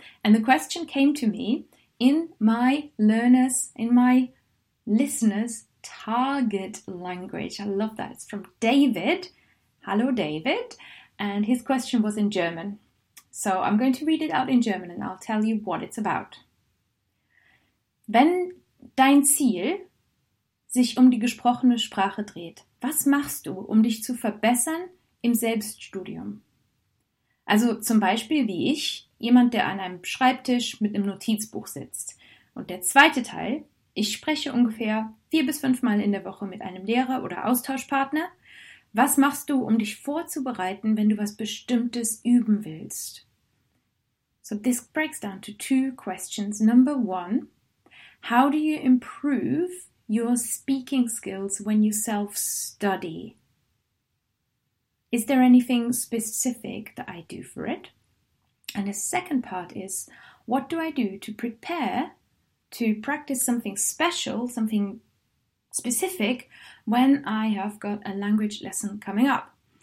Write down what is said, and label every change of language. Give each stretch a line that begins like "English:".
English: And the question came to me in my learners, in my listeners' target language. I love that. It's from David. Hello, David. And his question was in German. So I'm going to read it out in German and I'll tell you what it's about.
German: Wenn dein Ziel sich um die gesprochene Sprache dreht, was machst du, um dich zu verbessern im Selbststudium? Also zum Beispiel wie ich, jemand, der an einem Schreibtisch mit einem Notizbuch sitzt. Und der zweite Teil, ich spreche ungefähr 4 bis 5 Mal in der Woche mit einem Lehrer oder Austauschpartner. Was machst du, um dich vorzubereiten, wenn du was Bestimmtes üben willst?
English: So this breaks down to 2 questions. Number 1, how do you improve your speaking skills when you self-study? Is there anything specific that I do for it? And the second part is, what do I do to prepare to practice something special, something specific, when I have got a language lesson coming up?